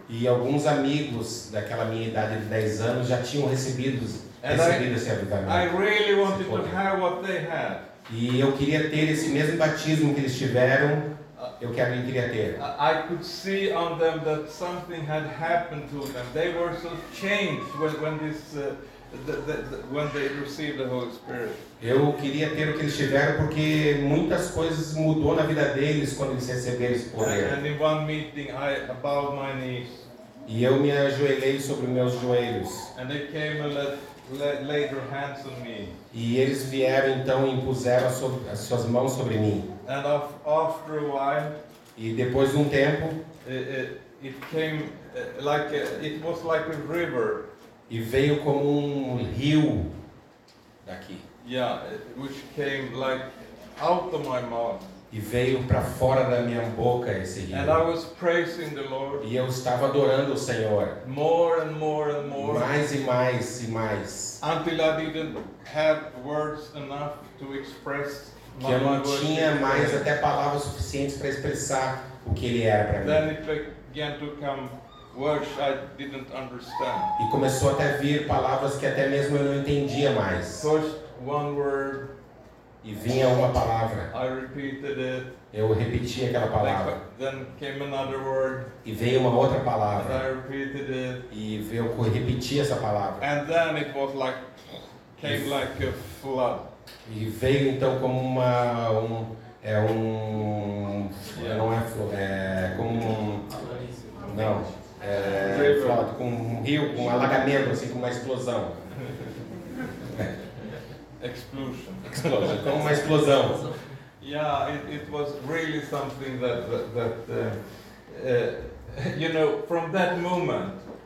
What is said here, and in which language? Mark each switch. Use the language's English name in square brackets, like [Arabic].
[Portuguese] E alguns amigos daquela minha idade de 10 anos já tinham recebido esse avivamento. [English] I really wanted to have what they had. [Portuguese] E eu queria ter esse mesmo batismo que eles tiveram. Eu queria ter. [English] I could see on them that something had happened to them. They were so changed when they received the Holy Spirit. [Portuguese] Eu queria ter o que eles tiveram porque muitas coisas mudou na vida deles quando eles receberam esse poder. [English] And in one meeting, I bowed my knees. [Portuguese] E eu me ajoelhei sobre meus joelhos. [English] And they came and laid their hands on me. [Portuguese] E eles vieram então e impuseram as suas mãos sobre mim. [English] And after a while, [Portuguese] e depois de um tempo, [English] it was like a river. [Portuguese] E veio como um rio daqui. [English] Yeah, which came like out of my mouth. [Portuguese] E veio para fora da minha boca esse rio. [English] And I was praising the Lord. [Portuguese] E eu estava adorando o Senhor. [English] More and more and more. [Portuguese] Mais e mais e mais. [English] Until I didn't have words enough to express. [Portuguese] Que eu não tinha mais até palavras suficientes para expressar o que ele era para mim. [English] Then it began to come words I didn't understand. [Portuguese] E começou até a vir palavras que até mesmo eu não entendia mais. [English] First one word. [Portuguese] E vinha uma palavra. [English] I repeated it. [Portuguese] Eu repeti aquela palavra. [English] Then came another word. [Portuguese] E veio uma outra palavra. [English] And I repeated it. [Portuguese] E veio eu repeti essa palavra. [English] And then it was like came like a flood. [Portuguese] E veio então como uma um alagamento, assim, como uma explosão. [English] Explosion. [Portuguese] Como uma explosão. [English] Yeah, it was really something that you know, from that moment.